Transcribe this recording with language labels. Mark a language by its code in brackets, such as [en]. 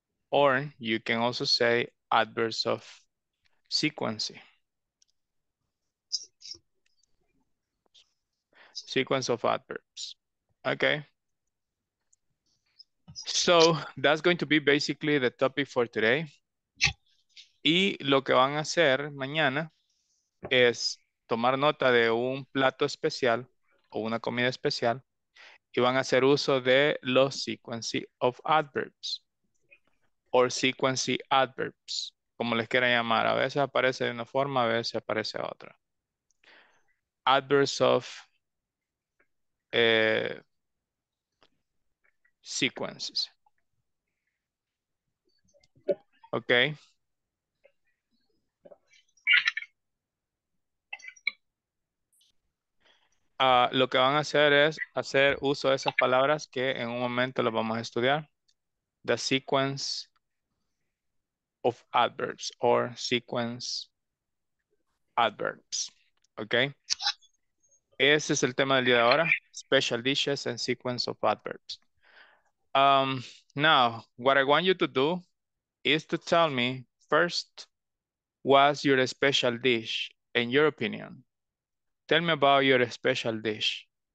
[en] Or you can also say adverbs of sequence. Sequence of adverbs. Okay. So, that's going to be basically the topic for today. [es] Y lo que van a hacer mañana es tomar nota de un plato especial o una comida especial y van a hacer uso de los [en] sequence of adverbs or sequence adverbs, [es] como les quieran llamar. A veces aparece de una forma, a veces aparece otra. [en] Adverbs of sequences. Okay. [es] Lo que van a hacer es hacer uso de esas palabras que en un momento las vamos a estudiar. [en] The sequence of adverbs or sequence adverbs. Okay. [es] Ese es el tema del día de ahora. [en] Special dishes and sequence of adverbs. Now, what I want you to do is to tell me first, what's your special dish in your opinion? Tell me about your special dish.